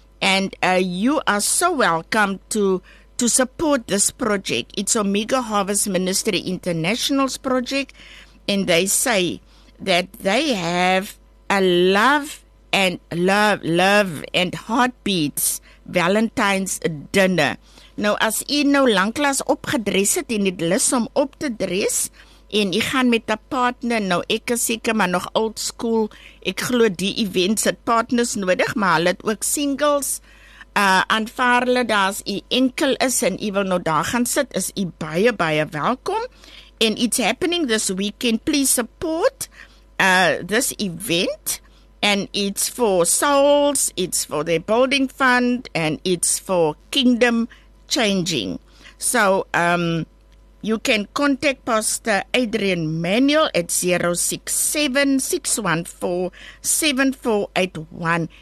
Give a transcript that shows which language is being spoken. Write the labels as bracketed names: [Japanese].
[English] And you are so welcome to support this project. It's Omega Harvest Ministry International's project. And they say that they have a love and heartbeats Valentine's dinner. [Afrikaans] Nou, as jy nou lanklaas opgedres het en het lus om op te dres, en jy gaan met 'n partner, nou ek is seker maar nog old school, ek glo die events het partners nodig, maar hulle het ook singles, aanvaar hulle daar as jy enkel is en jy wil nou daar gaan sit, is jy baie, baie welkom. [English] And it's happening this weekend, please support this event. And it's for souls, it's for their building fund, and it's for kingdom changing. So you can contact Pastor Adrian Manuel at 067-614-7481.